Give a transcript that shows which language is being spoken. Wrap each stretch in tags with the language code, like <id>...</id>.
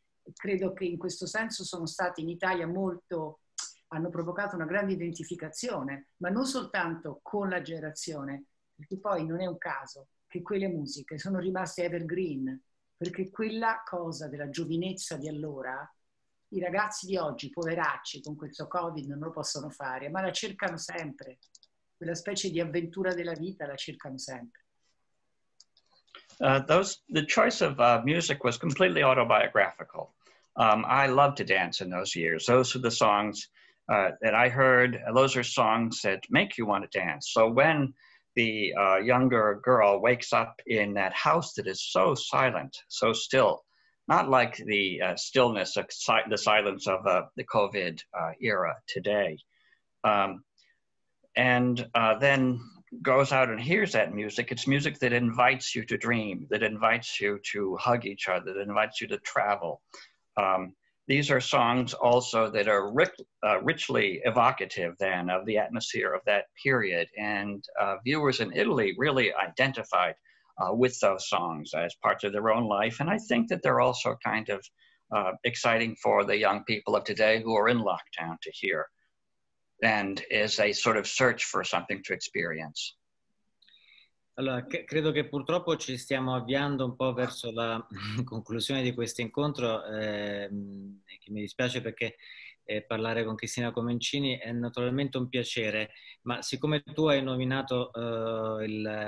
<it>E credo che in questo senso sono state in Italia molto, hanno provocato una grande identificazione, ma non soltanto con la generazione, perché poi non è un caso che quelle musiche sono rimaste evergreen, perché quella cosa della giovinezza di allora, i ragazzi di oggi, poveracci, con questo Covid non lo possono fare, ma la cercano sempre, quella specie di avventura della vita la cercano sempre.</it> <en>The choice of music was completely autobiographical. I loved to dance in those years. Those are the songs that I heard. Those are songs that make you want to dance. So when the younger girl wakes up in that house that is so silent, so still, not like the stillness, the silence of the COVID era today, then goes out and hears that music. It's music that invites you to dream, that invites you to hug each other, that invites you to travel. These are songs also that are richly evocative then of the atmosphere of that period. And viewers in Italy really identified with those songs as parts of their own life. And I think that they're also kind of exciting for the young people of today who are in lockdown to hear, and as a sort of search for something to experience.</en> <it>Allora, credo che purtroppo ci stiamo avviando un po' verso la conclusione di questo incontro, che mi dispiace perché parlare con Cristina Comencini è naturalmente un piacere, ma siccome tu hai nominato il</it>